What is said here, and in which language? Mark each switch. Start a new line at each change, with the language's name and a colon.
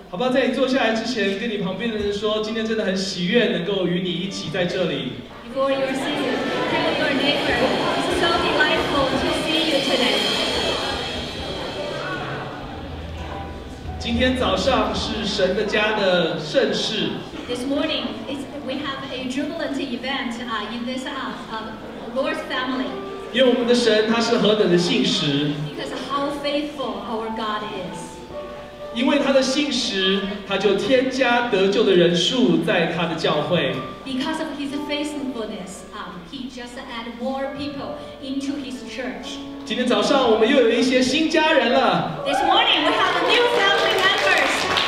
Chinese: 好吧在你坐下来之前跟你旁边的人说今天真的很喜悦能够与你一起在这里
English: Before you're seated Tell your neighbor It's so delightful to see you today
Chinese: 今天早上是神的家的盛事
English: This morning it'sWe have a jubilant event in this house, Lord's family.
Chinese: 因为我们的神他是何等的信实。
English: Because how faithful our God is.
Chinese: 因为他的信实，他就添加得救的人数在他的教会。
English: Because of his faithfulness, he just add more people into his church.
Chinese: 今天早上我们又有一些新家人了。
English: This morning we have a new family members.